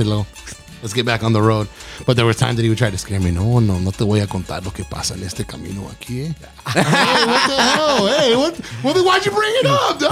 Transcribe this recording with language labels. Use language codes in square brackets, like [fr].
[es] Y luego, [en] let's get back on the road. But there was times that he would try to scare me. [es] No te voy a contar lo que pasa en este camino aquí. [en] Hey, what the hell? Hey, what? Why'd you bring it up, dog?